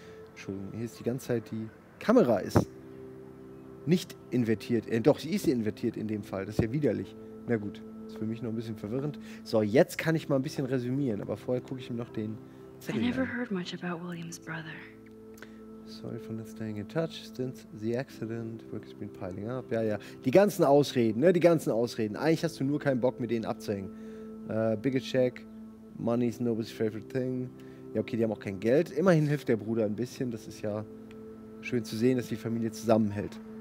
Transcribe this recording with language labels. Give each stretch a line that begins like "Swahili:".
German: Entschuldigung, hier ist die ganze Zeit die Kamera ist nicht invertiert. Doch, sie ist invertiert in dem Fall. Das ist ja widerlich. Na gut, ist für mich noch ein bisschen verwirrend. So, jetzt kann ich mal ein bisschen resümieren, aber vorher gucke ich ihm noch den Zettel an.
English: I never heard much about William's brother. Sorry for not staying in touch since the accident. Work has been piling up.
German: Ja, ja. Die ganzen Ausreden, ne? Die ganzen Ausreden. Eigentlich hast du nur keinen Bock, mit denen abzuhängen.
English: Bigger check. Money is nobody's favorite thing.
German: Ja, okay, die haben auch kein Geld. Immerhin hilft der Bruder ein bisschen. Das ist ja schön zu sehen, dass die Familie zusammenhält.